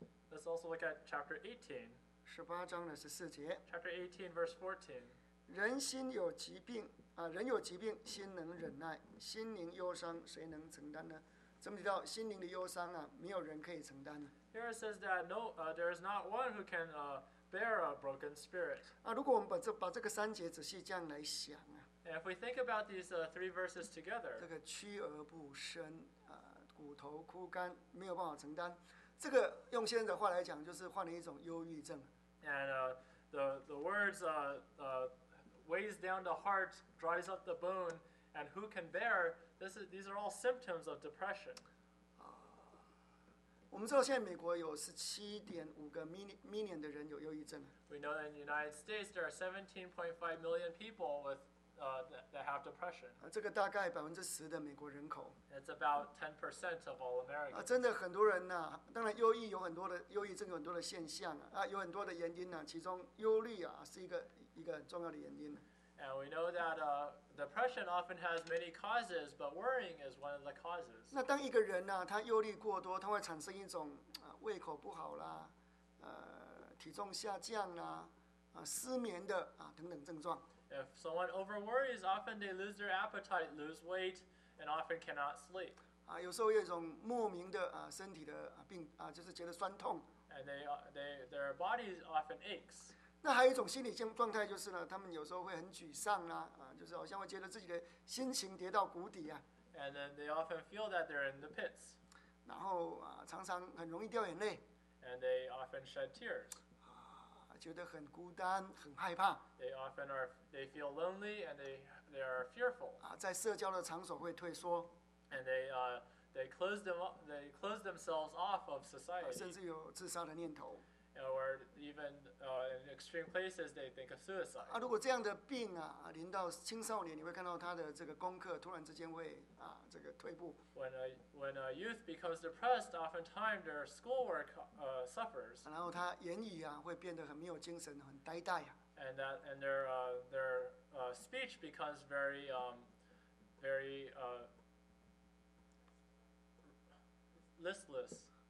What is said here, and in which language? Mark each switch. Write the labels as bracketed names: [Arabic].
[English] Let's also look at chapter 18. [Chinese] 18章的14节。 [English] Chapter 18, verse 14. [Chinese] 人心有疾病，人有疾病，心能忍耐，心灵忧伤，谁能承担呢？这么提到心灵的忧伤啊, 没有人可以承担的。 [English] Here it says that there is not one who can bear a broken spirit. [Chinese] 如果我们把这个三节仔细这样来想啊, [English] and if we think about these three verses together, [Chinese] 这个屈而不伸, 骨头枯干, 没有办法承担, 这个用现在的话来讲, 就是患了一种忧郁症。 [English] And the words weighs down the heart, dries up the bone, and who can bear, these are all symptoms of depression. [Chinese] 我们知道现在美国有17.5个 million 的人有忧郁症。 [English] We know that in the United States there are 17.5 million people with that have depression. [Chinese] 这个大概10%的美国人口。 [English] It's about 10% of all Americans. [Chinese] 真的很多人呐、啊，当然忧郁有很多的忧郁症有很多的现象啊，有很多的原因呐、啊，其中忧虑啊是一个很重要的原因。 [English] And we know that depression often has many causes, but worrying is one of the causes. [Chinese] 那当一个人呢、啊，他忧虑过多，他会产生一种啊胃口不好啦，体重下降啦，啊失眠的啊等等症状。 [English] If someone over worries, often they lose their appetite, lose weight, and often cannot sleep. [Chinese] 啊，有时候有一种莫名的啊身体的病啊，就是觉得酸痛。 [English] And their bodies often aches. [Chinese] 那还有一种心理状态就是呢，他们有时候会很沮丧啊，就是好像会觉得自己的心情跌到谷底啊。 [English] And then they often feel that they're in the pits. [Chinese] 然后啊，常常很容易掉眼泪。 [English] And they often shed tears. [Chinese] 啊，觉得很孤单，很害怕。 [English] They often are, they feel lonely and they are fearful. [Chinese] 啊，在社交的场所会退缩。 [English] And they close themselves off of society. [Chinese] 甚至有自杀的念头。 [English] Or even in extreme places, they think of suicide. [Chinese] 啊，如果这样的病啊，临到青少年，你会看到他的这个功课突然之间会啊，这个退步。 [English] When a youth becomes depressed, oftentimes their schoolwork suffers. [Chinese] 然后他言语啊，会变得很没有精神，很呆呆啊。 [English] And their speech becomes very very listless.